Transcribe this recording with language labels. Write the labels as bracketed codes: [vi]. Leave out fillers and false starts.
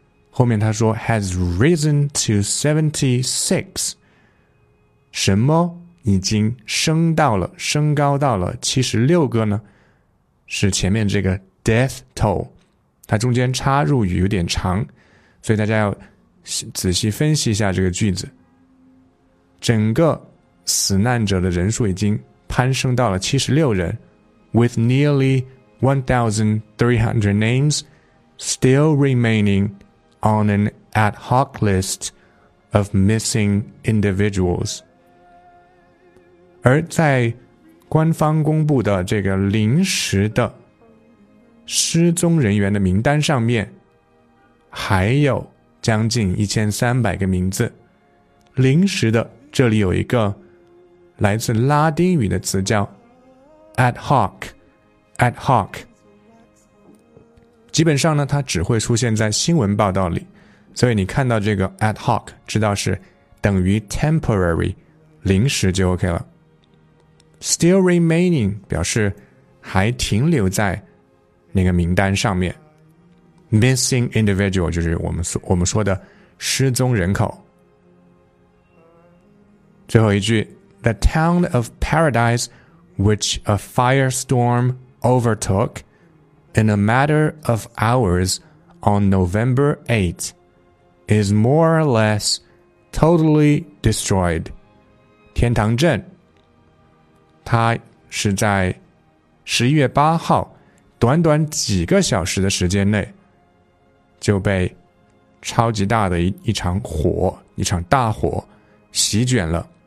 [zh] 后面他说 [en] has risen to 76， [zh] 什么已经升到了升高到了76个呢？是前面这个 [en] death toll， [zh] 它中间插入语有点长，所以大家要仔细分析一下这个句子。整个死难者的人数已经攀升到了76人， [en] with nearly 1,300 names still remaining on an ad hoc list of missing individuals。 [zh] 而在官方公布的这个临时的失踪人员的名单上面，还有将近1300个名字。临时的，这里有一个来自拉丁语的词叫 ad hoc， 基本上呢，它只会出现在新闻报道里，所以你看到这个 ad hoc， 知道是等于 temporary， 临时就 OK 了。 [en] Still remaining [zh] 表示还停留在那个名单上面。 [en] Missing individual [zh] 就是我们说的失踪人口。最后一句， [en] The town of paradise which a firestorm overtook in a matter of hours on November 8 is more or less totally destroyed。 [zh] 天堂镇它是在11月8号短短几个小时的时间内就被超级大的一场火，一场大火席卷了。